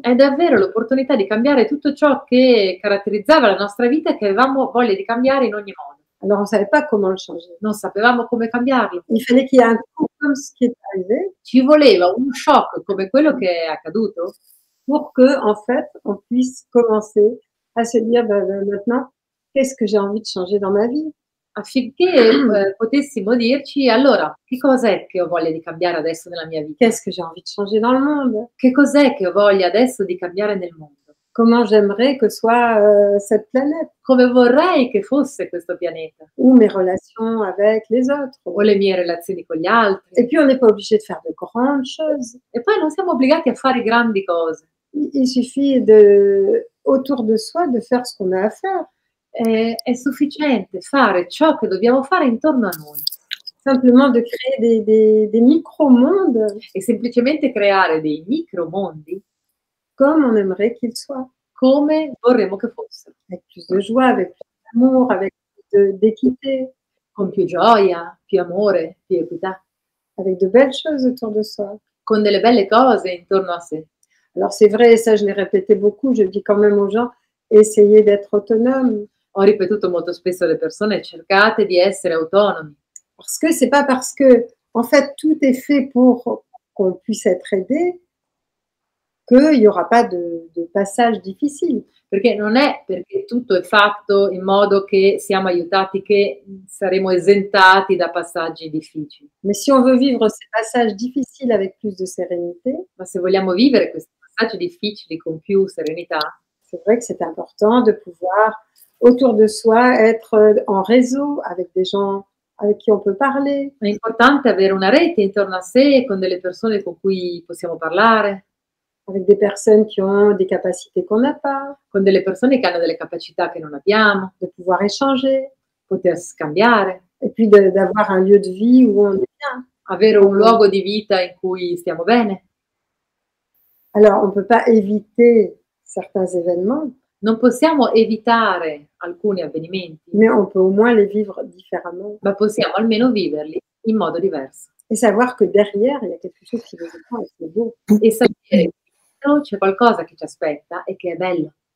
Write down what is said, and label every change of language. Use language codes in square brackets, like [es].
[it] È davvero l'opportunità di cambiare tutto ciò che caratterizzava la nostra vita e che avevamo voglia di cambiare in ogni modo. [fr] Alors on savait pas comment le changer. [it] Non sapevamo come cambiarlo. [fr] Il fallait qu'il y ait un coup comme ce qui est arrivé. [it] Ci voleva un shock come quello che è accaduto [fr] pour que en fait on puisse commencer à se dire bah, maintenant qu'est-ce que j'ai envie de changer dans ma vie. [it] Affinché potessimo dirci allora che cos'è che ho voglia di cambiare adesso nella mia vita. [fr] Qu'est-ce que j'ai envie de changer dans le monde. [it] Che cos'è che ho voglia adesso di cambiare nel mondo. [fr] Comment j'aimerais que soit cette planète. [it] Come vorrei che fosse questo pianeta. [fr] Ou mes relations avec les autres. [it] O le mie relazioni con gli altri. [fr] Et puis on n'est pas obligé de faire de grandes choses. [it] E poi non siamo obbligati a fare grandi cose. [fr] Il suffit de autour de soi de faire ce qu'on a à faire. [it] È sufficiente fare ciò che dobbiamo fare intorno a noi. [fr] Simplement de créer des micro-mondes. [it] E semplicemente creare dei micromondi. [fr] Comme on aimerait qu'ils soient. [it] Come vorremmo che fossero. [fr] Avec plus de joie, avec plus d'amour, avec plus d'équité. [it] Con più gioia, più amore, più equità. [fr] Avec de belles choses autour de soi. [it] Con delle belle cose intorno a sé. [fr] Alors c'est vrai, ça je l'ai répété beaucoup, je dis quand même aux gens. Essayez d'être autonome. [it] Ho ripetuto molto spesso alle persone, cercate di essere autonomi. [fr] Parce que c'est pas parce que en fait tout est fait pour qu'on puisse être aidé que il y aura pas de passage difficile. [it] Perché non è perché tutto è fatto in modo che siamo aiutati che saremo esentati da passaggi difficili. [fr] Mais si on veut vivre ces passages difficiles avec plus de sérénité, [it] ma se vogliamo vivere questi passaggi difficili con più serenità. [fr] C'est vrai que c'est important de pouvoir autour de soi être en réseau avec des gens avec qui on peut parler. [it] È importante avere una rete intorno a sé con delle persone con cui possiamo parlare. [fr] Avec des personnes qui ont des capacités qu'on n'a pas. [it] Con delle persone che hanno delle capacità che non abbiamo. [fr] De pouvoir échanger. [it] Poter scambiare. [fr] Et puis d'avoir un lieu de vie où on est bien. [it] Avere un luogo di vita in cui stiamo bene. [fr] Alors on peut pas éviter certains événements. [it] Non possiamo evitare alcuni avvenimenti. [fr] Mais on peut au moins les vivre différemment. [it] Ma possiamo almeno viverli in modo diverso. [fr] Et savoir que derrière il y a quelque chose qui nous attend, c'est beau. [it] E sapere che c'è qualcosa che ci aspetta e che è bello.